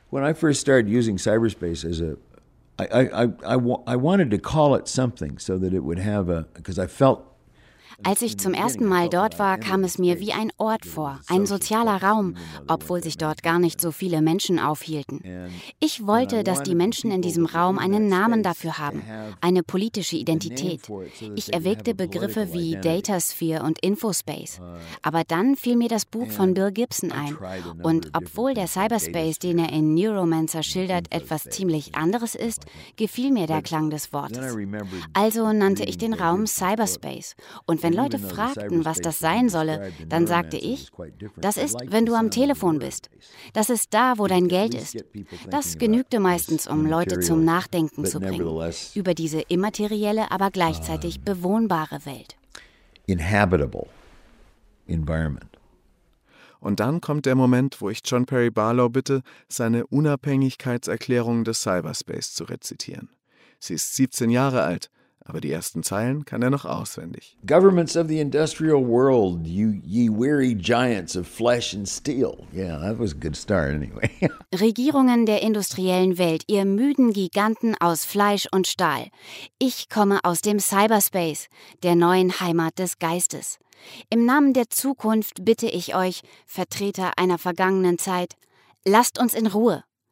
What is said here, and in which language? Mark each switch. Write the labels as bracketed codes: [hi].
[en] When I first started using cyberspace as a I wanted to call it something so that it would have a because I felt. [de] Als ich zum ersten Mal dort war, kam es mir wie ein Ort vor, ein sozialer Raum, obwohl sich dort gar nicht so viele Menschen aufhielten. Ich wollte, dass die Menschen in diesem Raum einen Namen dafür haben, eine politische Identität. Ich erwägte Begriffe wie Datasphere und Infospace. Aber dann fiel mir das Buch von Bill Gibson ein. Und obwohl der Cyberspace, den er in Neuromancer schildert, etwas ziemlich anderes ist, gefiel mir der Klang des Wortes. Also nannte ich den Raum Cyberspace. Und wenn Leute fragten, was das sein solle, dann sagte ich, das ist, wenn du am Telefon bist. Das ist da, wo dein Geld ist. Das genügte meistens, um Leute zum Nachdenken zu bringen, über diese immaterielle, aber gleichzeitig bewohnbare Welt. [en] Inhabitable environment. [de] Und dann kommt der Moment, wo ich John Perry Barlow bitte, seine Unabhängigkeitserklärung des Cyberspace zu rezitieren. Sie ist 17 Jahre alt. Aber die ersten Zeilen kann noch auswendig. [en] Governments of the industrial world, ye weary giants of flesh and steel. Yeah, that was a good start anyway. [de] Regierungen der industriellen Welt, ihr müden Giganten aus Fleisch und Stahl. Ich komme aus dem Cyberspace, der neuen Heimat des Geistes. Im Namen der Zukunft bitte ich euch, Vertreter einer vergangenen Zeit, lasst uns in Ruhe.